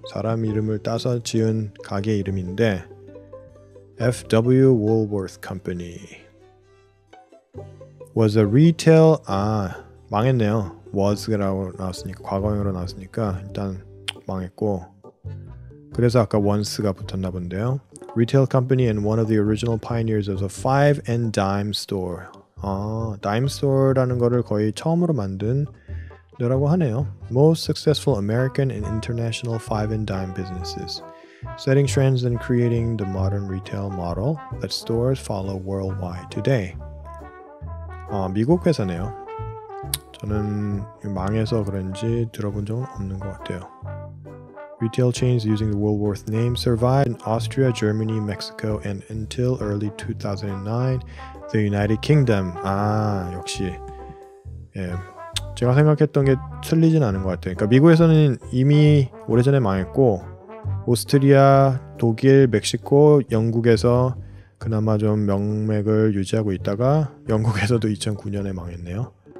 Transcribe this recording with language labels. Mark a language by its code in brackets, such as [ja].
[ko] 사람 이름을 따서 지은 가게 이름인데, F.W. [en] Woolworth Company was a retail. [ko] 아, 망했네요. was라고 나왔으니까, 과거형으로 나왔으니까 일단 망했고, 그래서 아까 once가 붙었나 본데요. [en] Retail company and one of the original pioneers of the five and dime store. [ko] 아, dime store라는 거를 거의 처음으로 만든 라고 하네요. [en] Most successful American and international five and dime businesses, setting trends and creating the modern retail model that stores follow worldwide today. [ko] 아, 미국 회사네요. 저는 망해서 그런지 들어본 적은 없는 것 같아요. [en] Retail chains using the Woolworth name survived in Austria, Germany, Mexico, and until early 2009, the United Kingdom. [ko] 아, 역시. 예. 제가 생각했던 게 틀리진 않은 것 같아요. 그러니까 미국에서는 이미 오래전에 망했고, 오스트리아, 독일, 멕시코, 영국에서 그나마 좀 명맥을 유지하고 있다가 영국에서도 2009년에 망했네요.